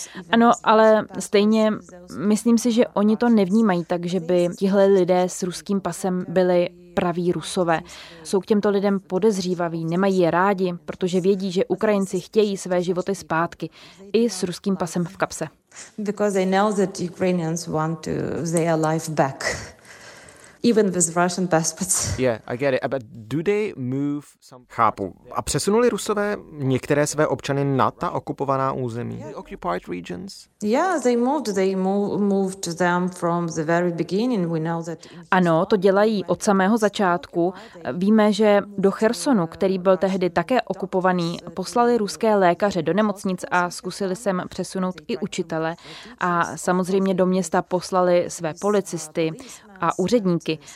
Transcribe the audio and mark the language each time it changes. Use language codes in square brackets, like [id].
[cs] Ano, ale stejně myslím si, že oni to nevnímají tak, že by tihle lidé s ruským pasem byli praví Rusové. Jsou k těmto lidem podezřívaví, nemají je rádi, protože vědí, že Ukrajinci chtějí své životy zpátky i s ruským pasem v kapse. [en] Because they know that Ukrainians want to their life back. Even with Russian passports. Yeah, I get it. But do they move some... [cs] Chápu. A přesunuli Rusové některé své občany na ta okupovaná území? [en] Yeah, occupied regions. Yeah, they moved. They moved them from the very beginning. We know that. [cs] Ano, to dělají od samého začátku. Víme, že do Chersonu, který byl tehdy také okupovaný, poslali ruské lékaře do nemocnic a zkusili sem přesunout i učitele. A samozřejmě do města poslali své policisty a úředníky.